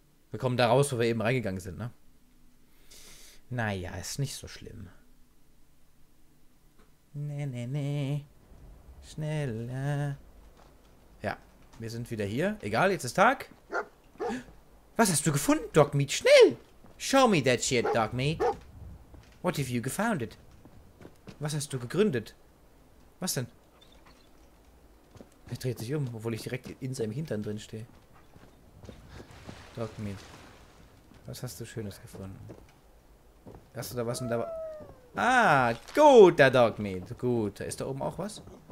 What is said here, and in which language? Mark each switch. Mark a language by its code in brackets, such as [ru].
[de] Wir kommen da raus, wo wir eben reingegangen sind, ne? Naja, ist nicht so schlimm. Nee. Schneller. Ja, wir sind wieder hier. Egal, jetzt ist Tag. Was hast du gefunden, Dogmeat? Schnell! [en] Show me that shit, Dogmeat. What have you gefounded? [de] Was hast du gegründet? Was denn? Er dreht sich um, obwohl ich direkt in seinem Hintern drin stehe. Dogmeat. Was hast du Schönes gefunden? Hast du da was in der... Ah, gut, der Dogmeat. Gut, ist da oben auch was?